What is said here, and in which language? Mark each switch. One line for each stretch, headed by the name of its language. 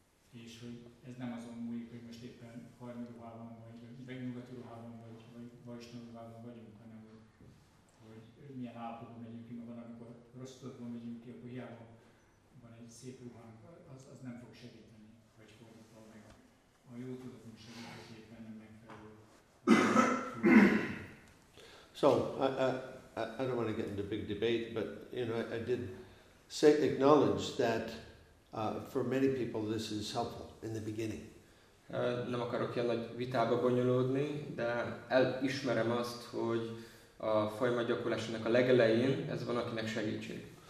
Hungarian: És hogy ez nem azon múlik, hogy most éppen harmi ruhában vagy, vagy nyugati ruhában vagy, vagy vajsnó ruhában vagyunk, hanem hogy milyen állapotban megyünk ki, mert van, amikor rossz tudatban megyünk ki, akkor hiába van egy szép ruhánk. Az nem fog segíteni, vagy fordítva meg a jó tudatunk segíteni, hogy éppen nem megfelelő.
English: So, I don't want to get into a big debate, but you know, I did say acknowledge that for many people this is helpful in the beginning.
Hungarian: Nem akarok ilyen nagy vitába bonyolódni, de elismerem azt, hogy a folyamat gyakorlásának a legelején ez van, akinek segítség.